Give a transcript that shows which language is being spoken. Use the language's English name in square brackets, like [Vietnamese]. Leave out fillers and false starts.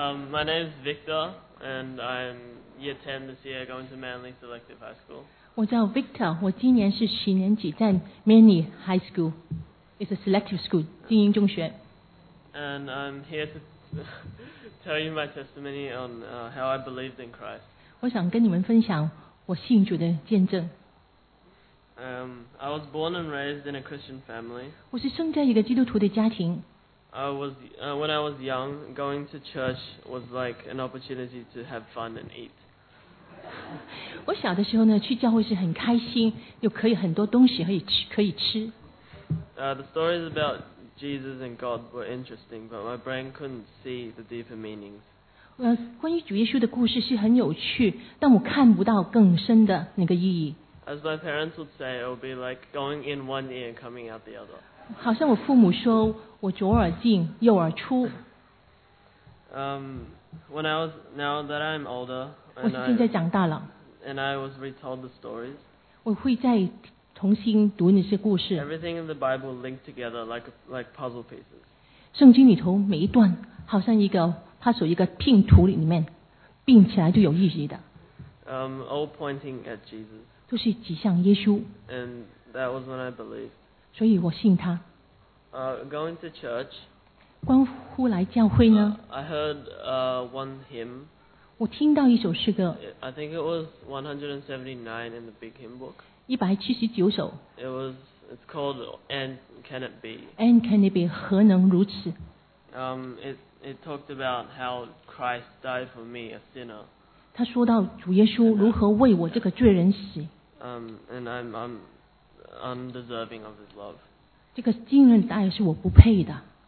[English] My name is Victor, and I'm year 10 this year, going to Manly Selective High School. [Chinese] 我叫 Victor, 我今年是十年级在 Manly High School. [English] It's a selective school, [Chinese] 精英中学。 [English] And I'm here to tell you my testimony on how I believed in Christ. [Chinese] 我想跟你们分享我信主的见证。 [English] I was born and raised in a Christian family. [Chinese] 我是生在一个基督徒的家庭。 [English] I was when I was young, going to church was like an opportunity to have fun and eat. [Chinese] 我小的时候呢，去教会是很开心，又可以很多东西可以吃。 [English] The stories about Jesus and God were interesting, but my brain couldn't see the deeper meanings. [Chinese] 关于主耶稣的故事是很有趣，但我看不到更深的那个意义。 [English] As my parents would say, it would be like going in one ear and coming out the other. [Chinese] 好像我父母说。我左耳进，右耳出。 [English] When I was now that I'm older, [Chinese] 我是现在长大了。 [English] And I was retold the stories. [Chinese] 我会再重新读那些故事。 [English] Everything in the Bible linked together like puzzle pieces. [Chinese] 圣经里头每一段好像一个puzzle一个拼图里面，并起来就有意义的。 [English] All pointing at Jesus. [Chinese] 都是指向耶稣。 [English] And that was when I believed. [Chinese] 所以我信他。 [English] Going to church, [Chinese] 关乎来教会呢 [English] I heard one hymn. [Chinese] 我听到一首诗歌 [English] I think it was 179 in the big hymn book. [Chinese] 179首 [English] It's called And Can It Be? And Can It Be? [Chinese] 何能如此 [English] It talked about how Christ died for me, a sinner. [Chinese] 他说到主耶稣如何为我这个罪人死 [English] And I'm undeserving of his love. [Chinese] 这个惊人的爱是我不配的。